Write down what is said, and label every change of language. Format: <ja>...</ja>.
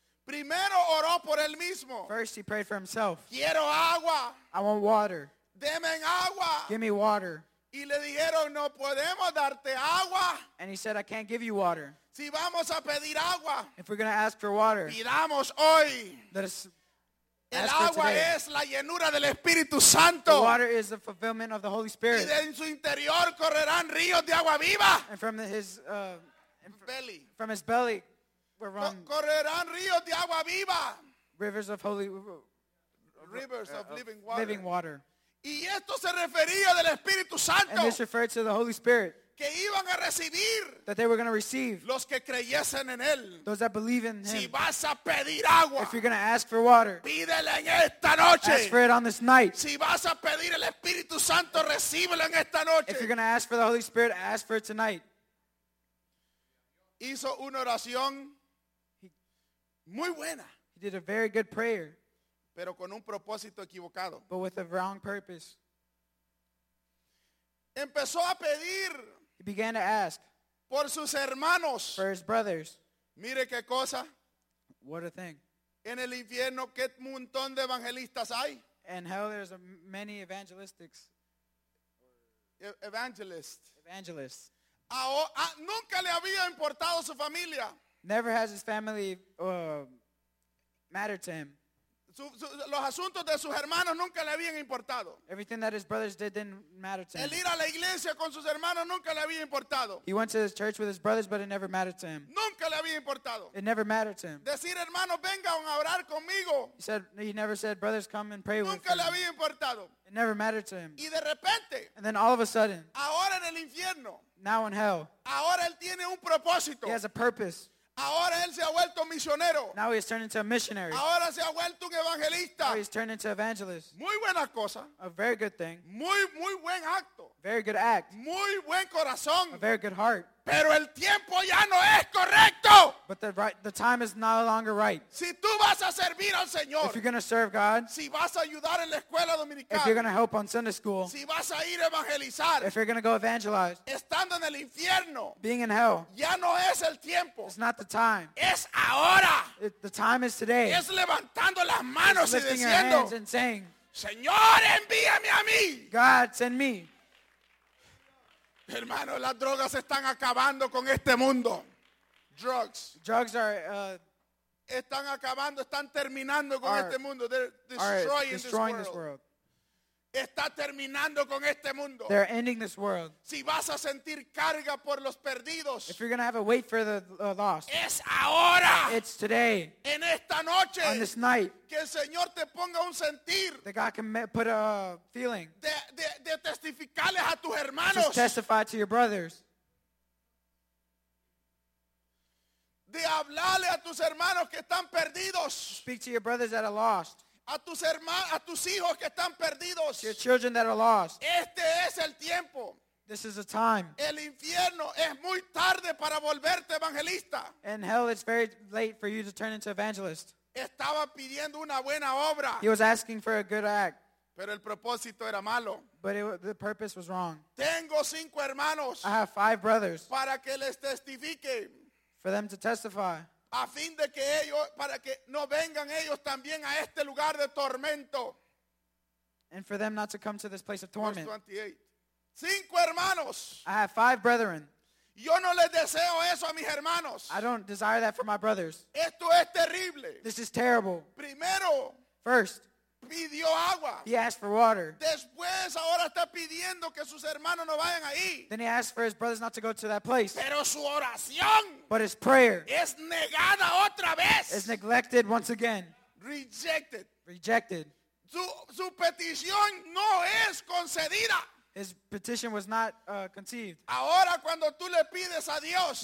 <es>Primero oró por él mismo.</es> <en>First he prayed for himself.</en> <es>Quiero agua.</es> <en>I want water.</en> <es>Deme agua.</es> <en>Give me water.</en> <es>Y le dijeron, no podemos darte agua.</es> <en>And he said, I can't give you water.</en> <es>Si vamos a pedir agua.</es> <en>If we're going to ask for water.</en> <es>Pidamos hoy.</es> <en>Let us</en> <es>el agua es la llenura del Espíritu Santo.</es> <en>The water is the fulfillment of the Holy Spirit.</en> <es>Y de en su interior correrán ríos de agua viva.</es> <en>And from his belly. From his belly. We're wrong.</en> <es>Correrán ríos de agua viva.</es> <en>Rivers of holy. Rivers of living water. Living water.</en> <es>Y esto se refería del Espíritu Santo.</es> <en>And this referred to the Holy Spirit.</en> <es>Que iban a recibir.</es> <en>That they were going to receive.</en> <es>Los que creyesen en él.</es> <en>Those that believe in him.</en> <es>Si vas a pedir agua.</es> <en>If you're going to ask for water.</en> <es>Pídele en esta noche.</es> <en>Ask for it on this night.</en> <es>Si vas a pedir el Espíritu Santo, recíbelo en esta noche.</es> <en>If you're going to ask for the Holy Spirit, ask for it tonight.</en> <es>Hizo una oración muy buena.</es> <en>He did a very good prayer.</en> <es>Pero con un propósito equivocado.</es> <en>But with a wrong purpose.</en> <es>Empezó a pedir.</es> <en>He began to ask.</en> <es>Por sus hermanos.</es> <en>For his brothers.</en> <es>Mire qué cosa.</es> <en>What a thing.</en> <es>En el infierno, qué montón de evangelistas hay.</es> <en>In hell, there's many evangelistics. Evangelists. Evangelists.</en> <es>Nunca le había importado su familia.</es> <en>Never has his family mattered to him.</en> <es>Los asuntos de sus hermanos nunca le habían importado.</es> <en>Everything that his brothers did didn't matter to him.</en> <es>El ir a la iglesia con sus hermanos nunca le había importado.</es> <en>He went to his church with his brothers, but it never mattered to him.</en> <es>Nunca le había importado.</es> <en>It never mattered to him.</en> <es>Decir, hermanos, vengan a orar conmigo.</es> <en>He never said, brothers, come and pray with me.</en> <es>Nunca le había importado.</es> <en>It never mattered to him.</en> <es>Y de repente.</es> <en>And then all of a sudden.</en> <es>Ahora en el infierno.</es> <en>Now in hell.</en> <es>Ahora él tiene un propósito.</es> <en>He has a purpose.</en> <es>Ahora él se ha vuelto misionero.</es> <en>Now he has turned into a missionary.</en> <es>Ahora se ha vuelto un evangelista.</es> <en>Now he has turned into an evangelist.</en> <es>Muy buena cosa.</es> <en>A very good thing.</en> <es>Muy buen acto.</es> <en>Very good act.</en> <es>Muy buen corazón.</es> <en>A very good heart.</en> <es>Pero el tiempo ya no es correcto.</es> <en>But the time is no longer right.</en> <es>Si tú vas a servir al Señor,</es> <en>if you're going to serve God,</en> <es>si vas a ayudar en la escuela dominical,</es> <en>if you're going to help on Sunday school,</en> <es>si vas a ir evangelizar,</es> <en>if you're going to go evangelize,</en> <es>estando en el infierno,</es> <en>being in hell,</en> <es>ya no es el tiempo.</es> <en>It's not the time.</en> <es>Es ahora.</es> <en>The time is today.</en> <es>Es levantando las manos y diciendo,</es> <en>lifting your hands and saying,</en> <es>Señor, envíame a mí.</es> <en>God, send me.</en> <es>Hermano, las drogas están acabando con este mundo.</es> <en>Drugs. Drugs are</en> <es>están acabando, están terminando con este mundo.</es> <en>They're destroying this world.</en> <es>Está terminando con este mundo.</es> <en>They're ending this world.</en> <es>Si vas a sentir carga por los perdidos,</es> <en>if you're going to have a weight for the lost,</en> <es>es ahora.</es> <en>It's today.</en> <es>En esta noche.</es> <en>On this night.</en> <es>Que el Señor te ponga un sentir.</es> <en>That God can put a feeling.</en> <es>De testificarles a tus hermanos.</es> <en>Just testify to your brothers.</en> <es>De hablarle a tus hermanos que están perdidos.</es> <en>Speak to your brothers that are lost.</en> <es>A tus hermanos, a tus hijos que están perdidos.</es> <en>Your children that are lost.</en> <es>Este es el tiempo.</es> <en>This is the time.</en> <es>El infierno es muy tarde para volverte evangelista.</es> <en>In hell, it's very late for you to turn into evangelist.</en> <es>Estaba pidiendo una buena obra.</es> <en>He was asking for a good act.</en> <es>Pero el propósito era malo.</es> <en>But the purpose was wrong.</en> <es>Tengo cinco hermanos.</es> <en>I have five brothers.</en> <es>Para que les testifique.</es> <en>For them to testify.</en> <es>A fin de que ellos, para que no vengan ellos también a este lugar de tormento.</es> <en>And for them not to come to this place of torment. Verse 28.</en> <es>Cinco hermanos.</es> <en>I have five brethren.</en> <es>Yo no les deseo eso a mis hermanos.</es> <en>I don't desire that for my brothers.</en> <es>Esto es terrible.</es> <en>This is terrible.</en> <es>Primero.</es> <en>First.</en> <es>Pidió agua.</es> <en>He asked for water.</en> <es>Después, ahora está pidiendo que sus hermanos no vayan ahí.</es> <en>Then he asked for his brothers not to go to that place.</en> <es>Pero su oración.</es> <en>But his prayer.</en> <es>Es negada otra vez.</es> <en>Is neglected once again. Rejected. Rejected.</en> <es>Su petición no es concedida.</es> <en>His petition was not conceived.</en> <es>Ahora cuando tú le pides a Dios,</es>